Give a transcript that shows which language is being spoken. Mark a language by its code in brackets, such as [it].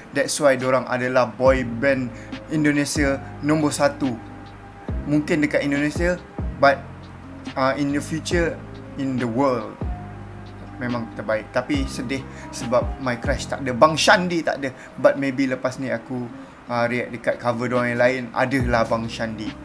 [en] That's why [ms] diorang adalah boy band Indonesia nombor satu. Mungkin dekat Indonesia, [en] but in the future, in the world. [ms] Memang terbaik. Tapi sedih sebab [en] my crush [ms] tak ada. Bang Shandi tak ada. [en] But maybe [ms] lepas ni aku react dekat cover diorang yang lain, adalah Bang Shandi.